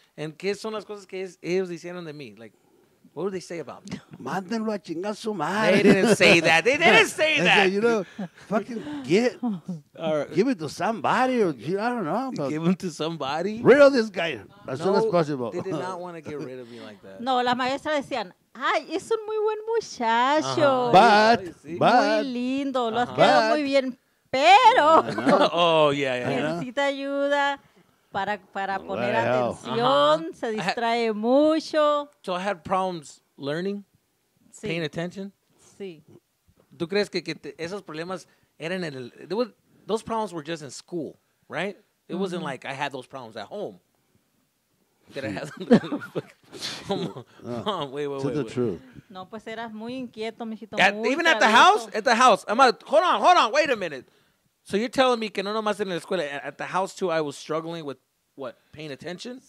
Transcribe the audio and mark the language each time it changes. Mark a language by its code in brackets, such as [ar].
[es] And ¿qué son las cosas que ellos dijeron de mí? [en] Like, what would they say about me? [es] Mándenlo a chingar su madre. [en] They didn't say that. They didn't say that. Said, you know, fucking get, give it to somebody. Or I don't know. But give it to somebody? Rid of this guy as soon as possible. They did not want to get rid of me like that. [es] No, las maestras decían, ay, es un muy buen muchacho. Uh-huh. [en] But. [es] Muy lindo. Uh-huh. Lo has quedado muy bien. Pero. [en] Oh, yeah. [es] Necesita ayuda. Para poner atención, uh-huh. Se distrae mucho. [en] So I had problems learning, sí. Paying attention? [es] Sí. ¿Tú crees que esos problemas eran en el... [en] Those problems were just in school, right? It mm-hmm. wasn't like I had those problems at home. Did I have them? Wait. True. [es] No, pues eras muy inquieto, mijito. [en] Even at the house? At the house. I'm like, hold on, wait a minute. So you're telling me [es] que no nomás en la escuela, [en] at the house too, I was struggling with, what, paying attention?